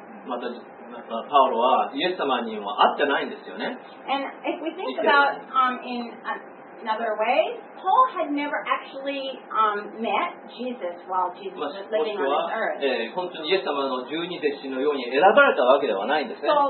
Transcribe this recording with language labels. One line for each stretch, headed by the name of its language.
Japanese: またパウロはイエス様にも会ってないんですよね。
English: And if we think about in another way, Paul had never actually met Jesus while Jesus was living on this earth.
Japanese: 本当にイエス様の十二弟子のように選ばれたわけではないんですね。